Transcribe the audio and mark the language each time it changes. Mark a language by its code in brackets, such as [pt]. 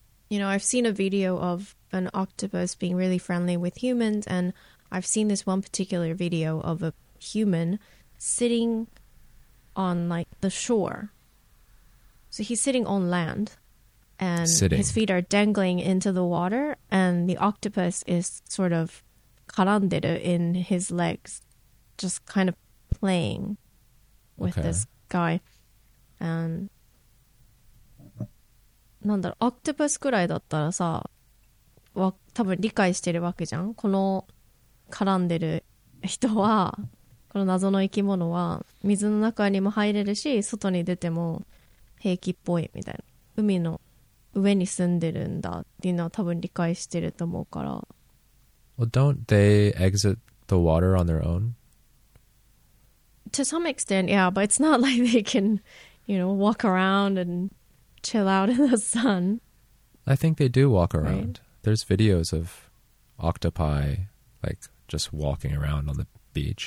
[en] You know, I've seen a video of an octopus being really friendly with humans, and I've seen this one particular video of a human sitting on like the shore. So he's sitting on land, and sitting. His feet are dangling into the water, and the octopus is sort of [ja] 絡んでる [en] in his legs, just kind of playing with okay. this guy. And [ja] なんだろう、オクトパスくらいだったらさ、多分理解してるわけじゃん。この絡んでる人は、この謎の生き物は水の中にも入れるし、外に出ても平気っぽいみたいな。海の上に住んでるんだっていうのは多分理解してると思うから。 [en] Well, don't they exit the water on their own? To some extent, yeah, but it's not like they can, you know, walk around and chill out in the sun. I think they do walk around. Right? There's videos of octopi, like, just walking around on the beach.